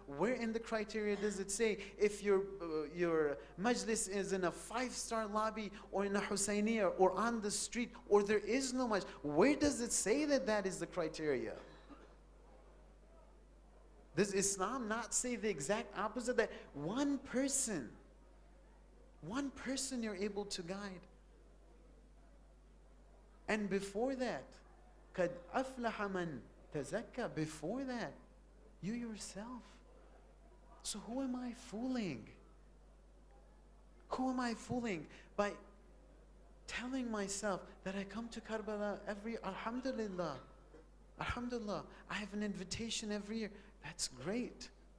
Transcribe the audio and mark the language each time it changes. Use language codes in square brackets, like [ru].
[en] Where in the criteria does it say if your majlis is in a five-star lobby or in a Husainiya or on the street or there is no majlis? Where does it say that that is the criteria? Does Islam not say the exact opposite? That one person you're able to guide. And before that, [ar] قَدْ أَفْلَحَ مَنْ تَزَكَّى. [en] Before that, you yourself. So who am I fooling? Who am I fooling by telling myself that I come to Karbala every, Alhamdulillah, I have an invitation every year. That's great.